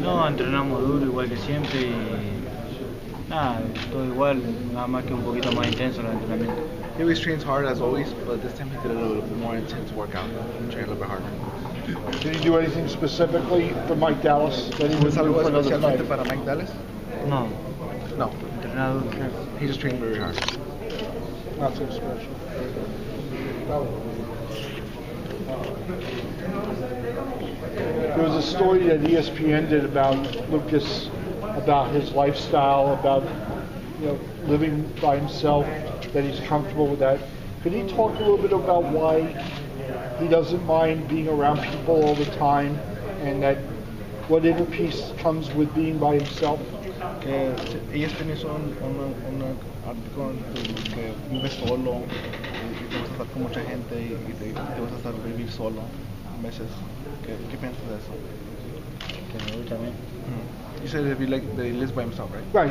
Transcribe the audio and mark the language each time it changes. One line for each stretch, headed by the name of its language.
Spanish: No, entrenamos duro igual que siempre y nada, todo igual, nada más que un poquito más intenso el entrenamiento.
English: He always trains hard as always, but this time he did a little bit more intense workout. He trained a little bit harder. Did he do anything specifically for Mike Dallas?
Spanish: ¿Was algo especialmente para Mike Dallas? No. No. Entrenado.
English: He just trained very hard. Not so special. There was a story that ESPN did about Lucas, about his lifestyle, about, you know, living by himself, that he's comfortable with that. Could he talk a little bit about why he doesn't mind being around people all the time, and that what inner peace comes with being by himself?
Spanish: ESPN hizo un artículo que vive solo, y te gusta estar con mucha gente, y te gusta estar vivir solo meses. ¿Qué piensas de eso? Que me gusta a mí.
English: You said that he lives by himself, right?